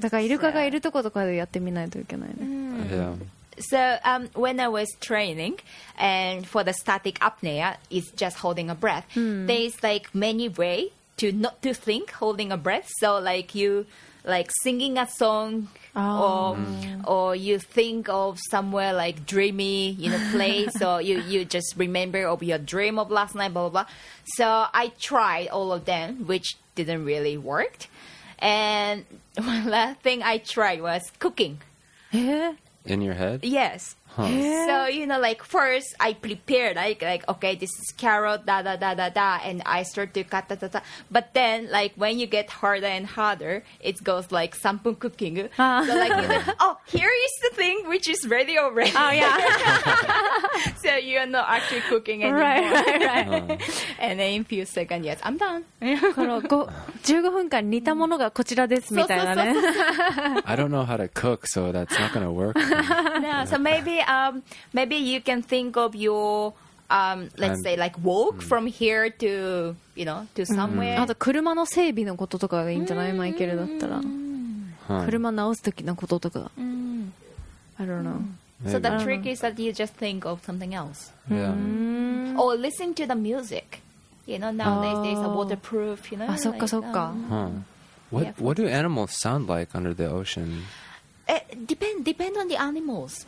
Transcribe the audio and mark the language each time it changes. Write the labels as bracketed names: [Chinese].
[Japanese] だからイルカがいるとことかでやってみないといけないね。 [English] Yeah. So, when I was training and for the static apnea is just holding a breath, there's like many way to not to think holding a breath. So like you like singing a song or you think of somewhere like dreamy, you know, place or you just remember of your dream of last night, blah, blah, blah. So I tried all of them, which didn't really work. And one last thing I tried was cooking. In your head? Yes. Huh. Yeah. So, you know, like, first I prepared, like, okay, this is carrot, da-da-da-da-da, and I start to cut da-da-da. But then, like, when you get harder and harder, it goes like sampun cooking. Uh-huh. So, like, you know, oh, here is the thing which is ready already. Oh, yeah. So you are not actually cooking anymore. Right, right, right. And then in a few seconds, yes, I'm done. [Japanese] この15分間似たものがこちらですみたいなね。 [English] I don't know how to cook, so that's not going to work. No, so maybe you can think of your, let's say, like walk from here to, you know, to somewhere. [Japanese] あと車の整備のこととかがいいんじゃない、マイケルだったら。車直すときのこととか。 [English] I don't know. So the trick is that you just think of something else. Yeah. Or listen to the music. You know, nowadays there's a waterproof, you know. [Japanese] あ、そっかそっか。 [English] What do animals sound like under the ocean? Depend on the animals.